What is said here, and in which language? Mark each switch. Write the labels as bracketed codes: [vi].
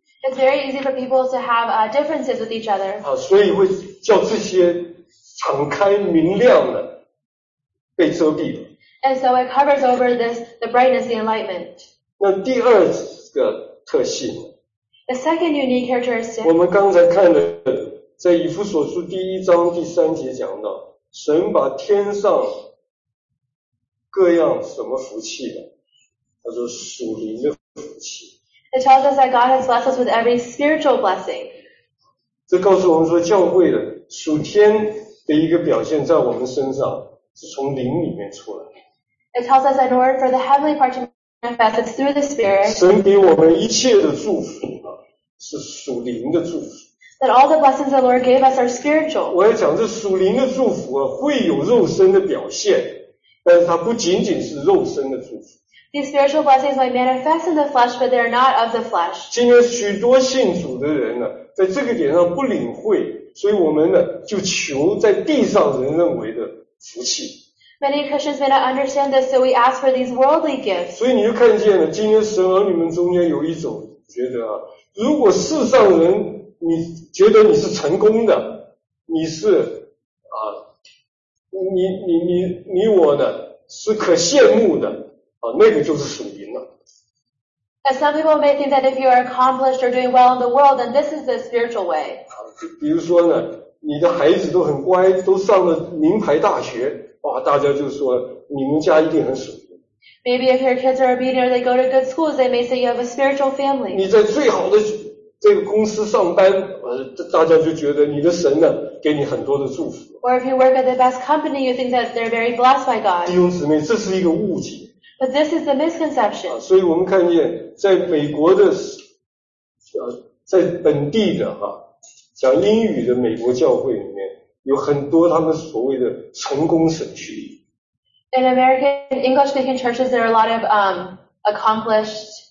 [en] It's very easy for people to have differences with each other. [zh] 啊，所以会叫这些敞开明亮的。被遮蔽了。 [en] And so it covers over this, the brightness, the enlightenment. [zh] 那第二个特性。 [en] The second unique characteristic. [zh] 我们刚才看的在以弗所书第一章第三节讲到，神把天上各样什么福气的，他说属灵的福气。 [en] It tells us that God has blessed us with every spiritual blessing. [zh] 这告诉我们说教会的属天的一个表现在我们身上。是从灵里面出来。 [en] It tells us in order for the heavenly part to manifest, it's through the Spirit. [zh] 神给我们一切的祝福是属灵的祝福。 [en] That all the blessings the Lord gave us are spiritual. [zh] 我要讲这属灵的祝福会有肉身的表现，但是它不仅仅是肉身的祝福。 [en] These spiritual blessings might manifest in the flesh, but they're not of the flesh. [zh] 今天许多信主的人呢，在这个点上不领会，所以我们呢就求在地上人认为的。福气。 [en] Many Christians may not understand this, so we ask for these worldly gifts. [zh] 所以你就看见了，今天神儿女们中间有一种觉得啊，如果世上人你觉得你是成功的，你是啊，你我呢是可羡慕的啊，那个就是属灵了。 [en] And some people may think that if you are accomplished or doing well in the world, then this is the spiritual way. [zh] 比如说呢。你的孩子都很乖，都上了名牌大学，哇！大家就说你们家一定很属灵。 [en] Maybe if your kids are obedient, they go to good schools, they may say you have a spiritual family. [zh] 你在最好的这个公司上班，大家就觉得你的神呢给你很多的祝福。 [en] Or if you work at the best company, you think that they're very blessed by God. [zh] 弟兄姊妹，这是一个误解。 [en] But this is the misconception.、 [zh] 所以我们看见，在美国的，在本地的哈。讲英语的美国教会里面有很多他们所谓的成功神学。 [en] In American English speaking churches, there are a lot of accomplished.